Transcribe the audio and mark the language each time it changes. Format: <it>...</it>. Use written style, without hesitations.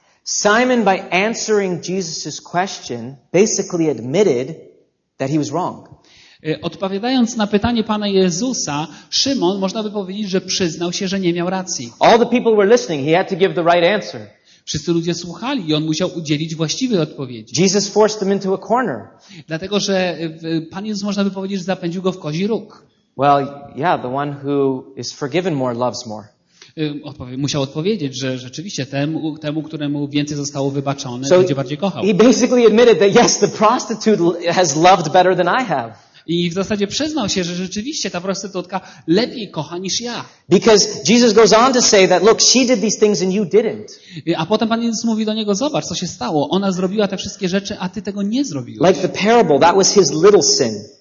<en>Simon, by answering Jesus's question, basically admitted that he was wrong.</en> <pl>Odpowiadając na pytanie Pana Jezusa, Szymon, można by powiedzieć, że przyznał się, że nie miał racji.</pl> <en>All the people were listening. He had to give the right answer.</en> <pl>Wszyscy ludzie słuchali i on musiał udzielić właściwej odpowiedzi.</pl> <en>Jesus forced them into a corner.</en> <pl>Dlatego, że Pan Jezus, można by powiedzieć, zapędził go w kozi róg.</pl> <en>Well, yeah, the one who is forgiven more loves more.</en> <pl>Musiał odpowiedzieć, że rzeczywiście temu, któremu więcej zostało wybaczone, będzie bardziej kochał.</pl> <en>He basically admitted that yes, the prostitute has loved better than I have.</en> <pl>I w zasadzie przyznał się, że rzeczywiście ta prostytutka lepiej kocha niż ja.</pl> <en>Because Jesus goes on to say that look, she did these things and you didn't.</en> <pl>A potem Pan Jezus mówi do niego, zobacz, co się stało. Ona zrobiła te wszystkie rzeczy, a ty tego nie zrobiłeś.</pl> <en>Like the parable, that was his little sin.</en>